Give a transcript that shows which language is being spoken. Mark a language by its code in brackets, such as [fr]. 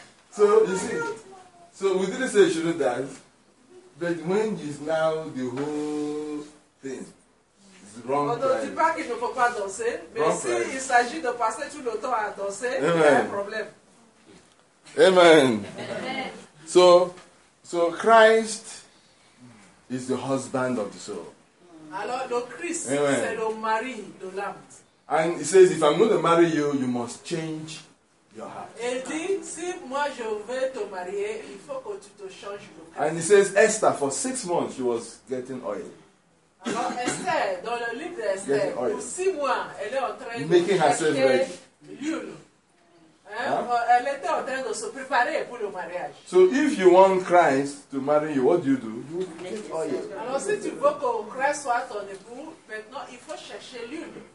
[en] So you see, so we didn't say you shouldn't dance, but when is now the whole thing is wrong. Although the fact is, you don't want to dance, but if it's about passing too much time dancing, there's a problem. Amen. Amen. So Christ is the husband of the soul. [fr] Alors le Christ, c'est le mari de l'âme. [en] And he says, if I'm going to marry you, you must change your heart. [fr] Il dit, si moi je veux te marier, il faut que tu te changes le cœur. [en] And he says, Esther, for 6 months, she was getting oil. [fr] Alors Esther, dans le livre d'Esther, pour 6 mois, elle est en train [en] making [fr] de [en] herself ready. [fr] Elle était en train de se préparer pour le mariage. [en] So if you want Christ to marry you, what do? You need oil. [fr] Alors si tu veux que Christ soit ton époux, maintenant il faut chercher l'huile.